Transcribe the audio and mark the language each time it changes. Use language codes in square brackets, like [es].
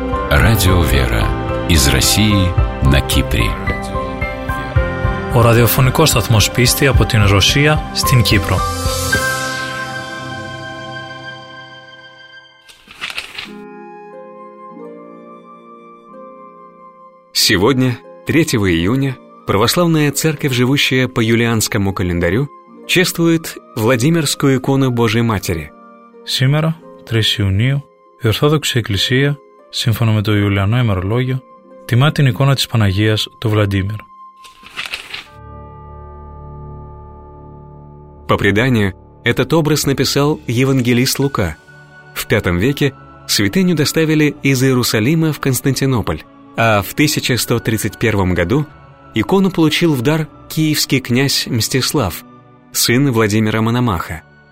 [ru] Радио «Вера» из России на Кипре. [el] Ο ραδιοφωνικός σταθμός πίστη από την Ρωσία στην Κύπρο. [ru] Сегодня, 3 июня, Православная Церковь, живущая по юлианскому календарю, чествует Владимирскую икону Божией Матери. Сегодня, 3 июня, [el] η Ορθόδοξη Εκκλησία, σύμφωνα με το Ιουλιανό ημερολόγιο, τιμά την εικόνα της Παναγίας, το Βλαντίμιρ. [ru] По преданию, этот образ написал евангелист Лука. В V веке святыню доставили из Иерусалима в Константинополь, а в 1131 году икону получил в дар киевский князь Мстислав, сын Владимира Мономаха.